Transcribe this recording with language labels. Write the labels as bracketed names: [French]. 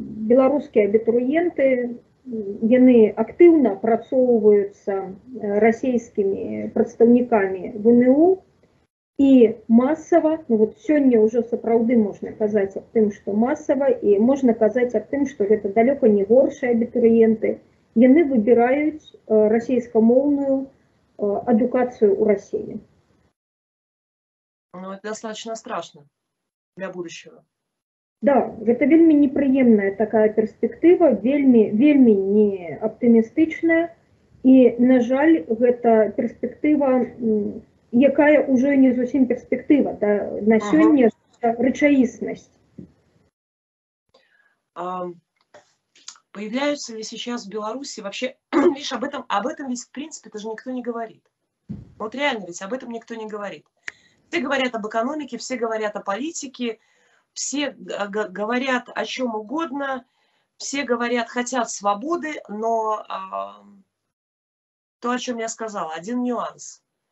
[Belarusian] беларускія абітурыенты яны актыўна апрацоўваюцца расійскімі прадстаўнікамі ВНУ і масава, ну вот сёння ўжо сапраўды можна казаць аб тым, што масава, і можна казаць аб тым, што гэта далёка не горшыя абітурыенты, яны выбіраюць расійскамоўную адукацыю ў Расіі. [Russian] Ну, это достаточно страшно для будущего. [Belarusian] Да, гэта вельмі непрыемная такая перспектыва, вельмі, вельмі не аптымістычная. І, на жаль, гэта перспектыва, якая ўжо не зусім перспектыва, да, на сёння рэчаіснасць. [Russian] Появляются ли сейчас в Беларуси вообще, видишь, об этом ведь в принципе даже никто не говорит. Вот реально ведь об этом никто не говорит. Все говорят об экономике, все говорят о политике, все говорят о чем угодно, все говорят, хотят свободы, но то, о чем я сказала, один нюанс.